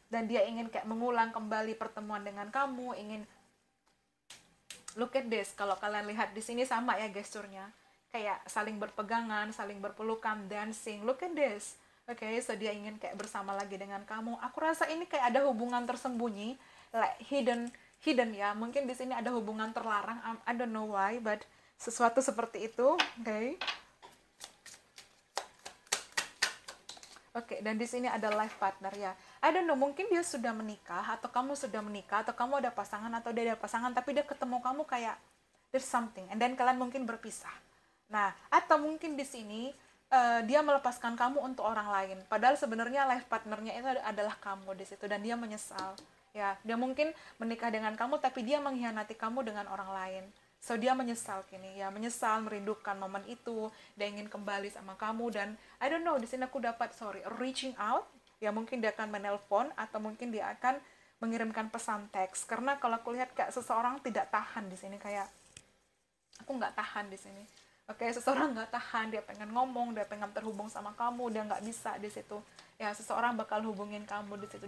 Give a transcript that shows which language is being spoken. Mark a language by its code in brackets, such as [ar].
[id] Dan dia ingin kayak mengulang kembali pertemuan dengan kamu, ingin [en] look at this. [id] Kalau kalian lihat di sini sama ya gesturnya, kayak saling berpegangan, saling berpelukan, dancing. [en] Look at this. [id] Oke, okay, so dia ingin kayak bersama lagi dengan kamu. Aku rasa ini kayak ada hubungan tersembunyi, [en] like hidden. [id] Hidden ya, mungkin di sini ada hubungan terlarang. [en] I don't know why, but [id] sesuatu seperti itu, [en] okay? [id] Okay, dan di sini ada life partner ya. [en] I don't know, [id] mungkin dia sudah menikah atau kamu sudah menikah atau kamu ada pasangan atau dia ada pasangan, tapi dia ketemu kamu kayak [en] there's something, and then [id] kalian mungkin berpisah. Nah, atau mungkin di sini dia melepaskan kamu untuk orang lain, padahal sebenarnya life partnernya itu adalah kamu di situ, dan dia menyesal. Ya, dia mungkin menikah dengan kamu tapi dia mengkhianati kamu dengan orang lain. So dia menyesal kini ya, menyesal, merindukan momen itu, dia ingin kembali sama kamu. Dan [en] I don't know, [id] di sini aku dapat [en] reaching out. [id] Ya, mungkin dia akan menelpon atau mungkin dia akan mengirimkan pesan teks. Karena kalau aku lihat kayak seseorang tidak tahan di sini, kayak aku enggak tahan di sini. Oke, seseorang enggak tahan, dia pengen ngomong, dia pengen terhubung sama kamu, dia enggak bisa di situ. Ya, seseorang bakal hubungin kamu di situ.